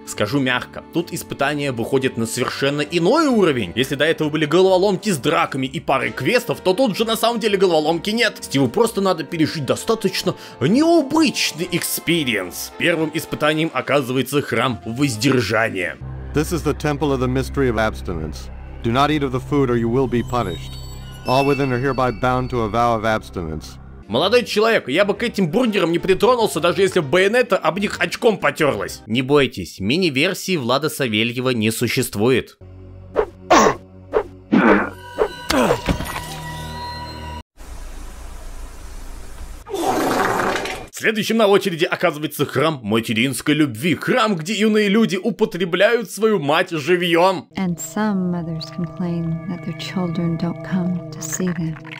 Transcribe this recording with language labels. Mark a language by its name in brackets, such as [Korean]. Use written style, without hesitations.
[Russian] Скажу мягко, тут испытания выходят на совершенно иной уровень. Если до этого были головоломки с драками и парой квестов, то тут же на самом деле головоломки нет. Стиву просто надо пережить достаточно необычный экспириенс. Первым испытанием оказывается храм воздержания. [English] This is the temple of the mystery of abstinence. Do not eat of the food or you will be punished. All within are hereby bound to a vow of abstinence. [Russian] Молодой человек, я бы к этим бургерам не притронулся, даже если бы байонета об них очком потерлась. Не бойтесь, мини-версии Влада Савельева не существует. Следующим на очереди оказывается храм материнской любви. Храм, где юные люди употребляют свою мать живьем. [English] And some mothers complain that their children don't come to see them.